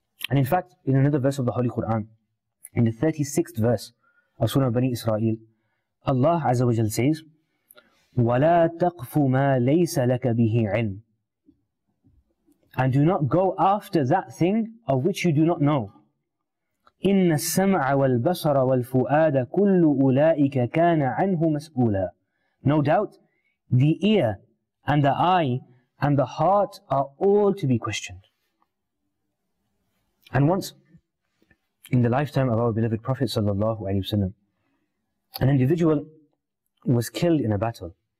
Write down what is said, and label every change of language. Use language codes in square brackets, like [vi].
[en] And in fact, in another verse of the Holy Quran, in the 36th verse of Surah Bani Israel, Allah Azza wa Jal says, [ar] وَلَا تَقْفُ مَا لَيْسَ لَكَ بِهِ عِلْمٍ. [en] And do not go after that thing of which you do not know. [ar] إِنَّ السَّمْعَ وَالْبَصَرَ وَالْفُؤَادَ كُلُّ أُولَٰئِكَ كَانَ عَنْهُ مَسْئُولًا. [en] No doubt, the ear and the eye and the heart are all to be questioned. And once, in the lifetime of our beloved Prophet sallallahu alaihi wasallam, an individual was killed in a battle.